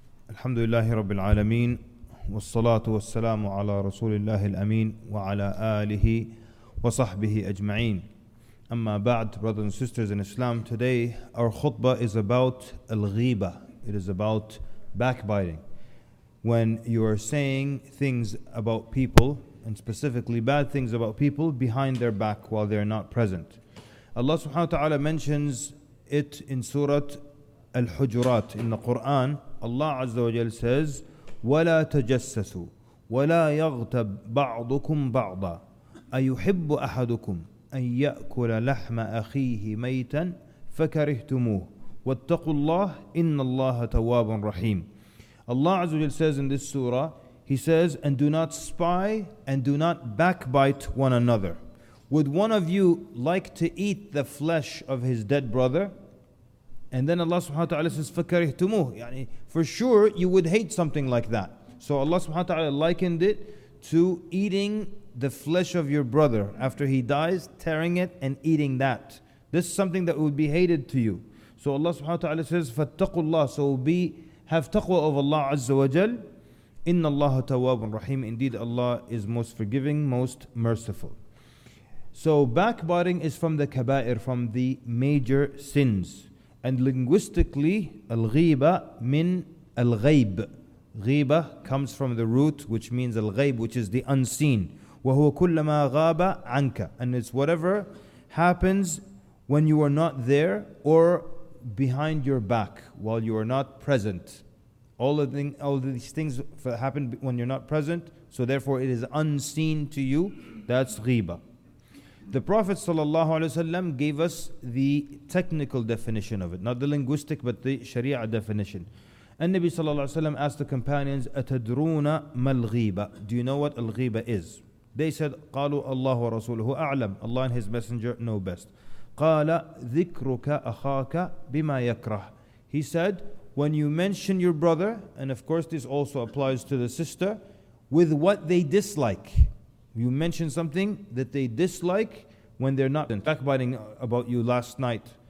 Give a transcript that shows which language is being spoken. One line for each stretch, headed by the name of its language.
Arabic: الحمد لله رب العالمين والصلاة والسلام على رسول الله الأمين وعلى آله وصحبه أجمعين.
English: Amma ba'd, brothers and sisters in Islam, today our khutbah is about al-ghiba. It is about backbiting. When you are saying things about people, and specifically bad things about people, behind their back while they are not present. Allah subhanahu wa ta'ala mentions it in Surah Al-Hujurat. In the Quran, Allah azza wa jal says,
Arabic: وَلَا تَجَسَّسُوا وَلَا يَغْتَبْ بَعْضُكُمْ بَعْضًا أَيُحِبُّ أَحَدُكُمْ أن يأكل لحم أخيه ميتا فكرهتموه واتقوا الله إن الله تواب رحيم.
English: Allah عز وجل says in this surah, He says, and do not spy and do not backbite one another. Would one of you like to eat the flesh of his dead brother? And then Allah subhanahu wa ta'ala says,
Arabic: فكرهتموه. يعني
English: for sure you would hate something like that. So Allah subhanahu wa ta'ala likened it to eating the flesh of your brother after he dies, tearing it and eating that. This is something that would be hated to you. So Allah subhanahu wa ta'ala says,
Arabic: فَاتَّقُوا اللَّهِ.
English: So be, have taqwa of Allah Azza wa Jal.
Arabic: إِنَّ اللَّهَ تَوَّابٌ رَحِيمٌ.
English: Indeed, Allah is most forgiving, most merciful. So backbiting is from the kaba'ir, from the major sins. And linguistically,
Arabic: الْغِيبَ مِنْ الْغَيْبِ.
English: غِيبَ comes from the root, which means الْغَيْبِ, which is the unseen.
Arabic: وَهُوَ كُلَّمَا غَابَ عَنْكَ.
English: And it's whatever happens when you are not there or behind your back, while you are not present. All of these things happen when you're not present, so therefore it is unseen to you. That's غِيبَ. The Prophet ﷺ gave us the technical definition of it, not the linguistic, but the sharia definition. And Nabi ﷺ asked the companions,
Arabic: أَتَدْرُونَ مَا الْغِيبَ.
English: Do you know what الْغِيبَ is? They said,
Arabic: قَالُوا أَلَّهُ وَرَسُولُهُ أَعْلَمُ.
English: Allah and His Messenger know best.
Arabic: قَالَ ذِكْرُكَ أَخَاكَ بِمَا يَكْرَهُ.
English: He said, when you mention your brother, and of course this also applies to the sister, with what they dislike. You mention something that they dislike when they're not backbiting about you last night.